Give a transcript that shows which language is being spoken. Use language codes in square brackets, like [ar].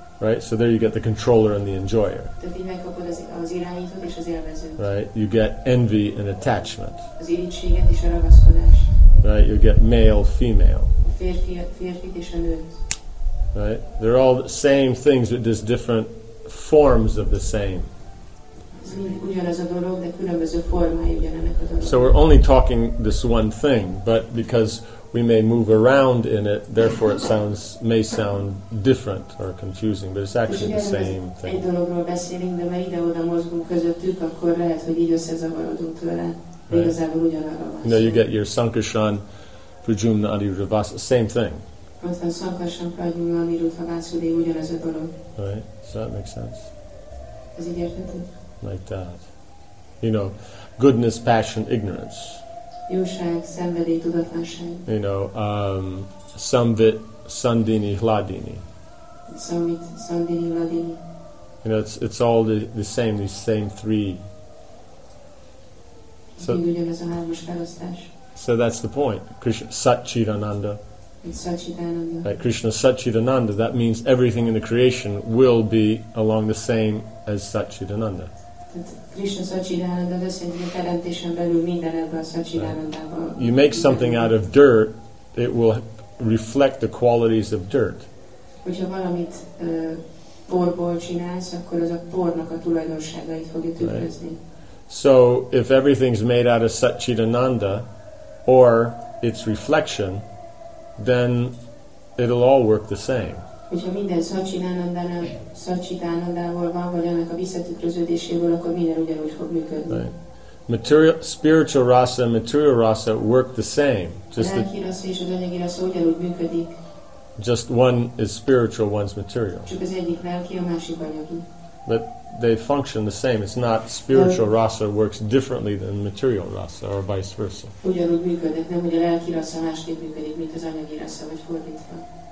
[en] Right, so there you get the controller and the enjoyer. [hu] Tehát így megkapod az irányítót és az élvezőt. [en] Right, you get envy and attachment. [hu] Az irigységet és a ragaszkodás. [en] Right, you get male, female. [hu] A férfit és a nőt. [en] Right, they're all the same things, but just different forms of the same. [hu] Ugyanaz a dolog, de különböző formája ugyanennek a dolog. [en] So we're only talking this one thing, but because we may move around in it, therefore it sounds may sound different or confusing, but it's actually the same thing. [hu] Egy dologról beszélünk, de mert ide-oda mozgunk közöttük, akkor lehet, hogy így összezavarodunk tőle. [en] Right. [hu] Igazából ugyanarra van. [en] You know, you get your Sankarsan, Prajumna, Anirudha, Vasudeva, same thing. [hu] Aztán Sankarsan, Prajumna, Anirudha, Vasudeva, ugyanaz a dolog. [en] Right, so that makes sense. [hu] Ez így érthető? [en] Like that. You know, goodness, passion, ignorance. [hu] Jóság, szenvedély, tudatlanság. [en] You know, Samvit, Sandini, Hladini. [hu] Samvit, Sandini, Hladini. [en] You know, it's all the same, these same three. So that's the point. Krishna Satchitananda. Right, Krishna Satchitananda, that means everything in the creation will be along the same as Satchitananda. Right. You make something out of dirt, it will reflect the qualities of dirt. [hu] Hogyha valamit porból csinálsz, akkor az a pornak a tulajdonságait fogja tükrözni. [en] So if everything's made out of Satchitananda or its reflection, then it'll all work the same. [hu] Hogyha minden Satchitanandával van, vagy annak a visszatükröződéséből, akkor minden ugyanúgy fog működni. [en] Right. Material, spiritual rasa and material rasa work the same. [hu] Just lelki rasa és az anyagi rasa ugyanúgy működik. [en] Just one is spiritual, one's material. [hu] Csak az egyik lelki, a másik anyagi. [en] But they function the same. It's not spiritual rasa works differently than material rasa or vice versa. [hu] Ugyanúgy működik, nem ugye lelki rasa másképp működik, mint az anyagi rasa, vagy fordítva.